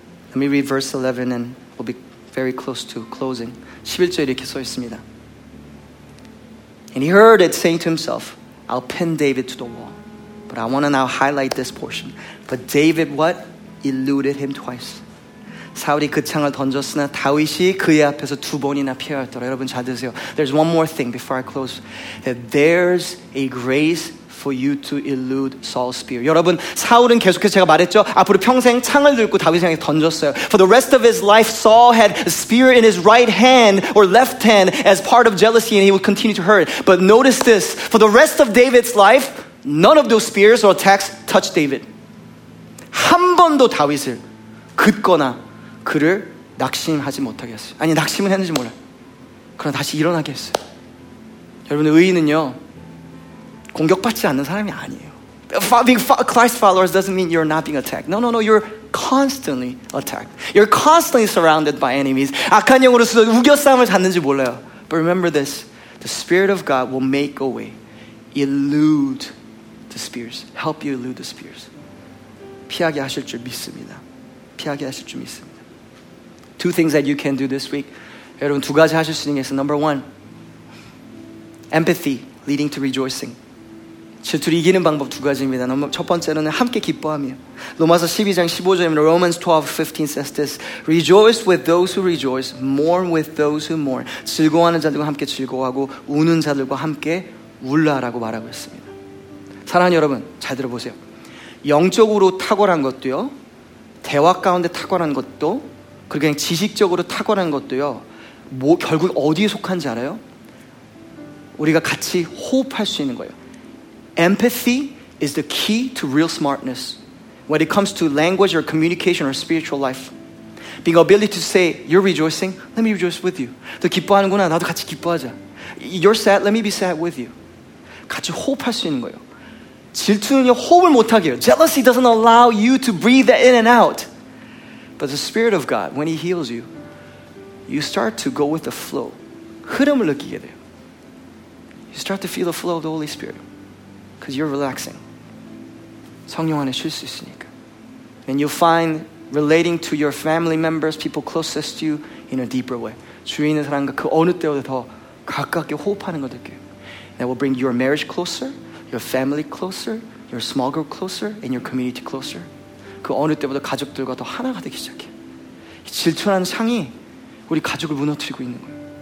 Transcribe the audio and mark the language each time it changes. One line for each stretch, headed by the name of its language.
English: Let me read verse 11 and we'll be very close to closing.
Korean: 11절 이렇게 써 있습니다.
English: And he heard it saying to himself, I'll pin David to the wall. But I want to now highlight this portion. But David what? Eluded him twice.
Korean: 사울이 그 창을 던졌으나 다윗이 그의 앞에서 두 번이나 피하였더라. 여러분 잘 드세요.
English: There's one more thing before I close. That there's a grace for you to elude Saul's spear.
Korean: 여러분 사울은 계속해서 제가 말했죠. 앞으로 평생 창을 들고 다윗을 향해 던졌어요.
English: For the rest of his life, Saul had a spear in his right hand or left hand as part of jealousy and he would continue to hurt. But notice this. For the rest of David's life, none of those spears or attacks touched David.
Korean: 한 번도 다윗을 긋거나 그를 낙심하지 못하게 했어요. 아니 낙심은 했는지 몰라요. 그러나 다시 일어나게 했어요. 여러분 의인은요 공격받지 않는 사람이 아니에요.
English: Being Christ followers doesn't mean you're not being attacked. No. You're constantly attacked. You're constantly surrounded by enemies.
Korean: 악한 영으로 쓰던 우겨쌈을 잤는지 몰라요.
English: But remember this. The Spirit of God will make a way. Elude the spears. Help you elude the spears.
Korean: 피하게 하실 줄 믿습니다. 피하게 하실 줄 믿습니다.
English: Two things that you can do this week.
Korean: 여러분, 두 가지 하실 수 있는 게 있어요.
English: Number one, empathy leading to rejoicing.
Korean: 질투를 이기는 방법 두 가지입니다. 첫 번째로는 함께 기뻐함이에요. 로마서 12장 15절입니다.
English: Romans 12, 15 says this. Rejoice with those who rejoice, mourn with those who mourn.
Korean: 즐거워하는 자들과 함께 즐거워하고 우는 자들과 함께 울라라고 말하고 있습니다. 사랑하는 여러분, 잘 들어보세요. 영적으로 탁월한 것도요, 대화 가운데 탁월한 것도 그리고 그냥 지식적으로 탁월한 것도요. 뭐 결국 어디에 속한지 알아요? 우리가 같이 호흡할 수 있는 거예요.
English: Empathy is the key to real smartness when it comes to language or communication or spiritual life. Being ability to say, you're rejoicing, let me rejoice with you.
Korean: 너 기뻐하는구나, 나도 같이 기뻐하자.
English: You're sad, let me be sad with you.
Korean: 같이 호흡할 수 있는 거예요. 질투는요, 호흡을 못하게 해요.
English: Jealousy doesn't allow you to breathe in and out. But the Spirit of God, when He heals you, you start to go with the flow.
Korean: 흐름을 느끼게 돼요.
English: You start to feel the flow of the Holy Spirit. Because you're relaxing.
Korean: 성령 안에 쉴 수 있으니까.
English: And you'll find relating to your family members, people closest to you, in a deeper way.
Korean: 주위에 있는 사람과 그 어느 때보다 더 가깝게 호흡하는 걸 느껴요.
English: That will bring your marriage closer, your family closer, your small group closer, and your community closer.
Korean: 그 어느 때보다 가족들과 더 하나가 되기 시작해요. 질투라는 창이 우리 가족을 무너뜨리고 있는 거예요.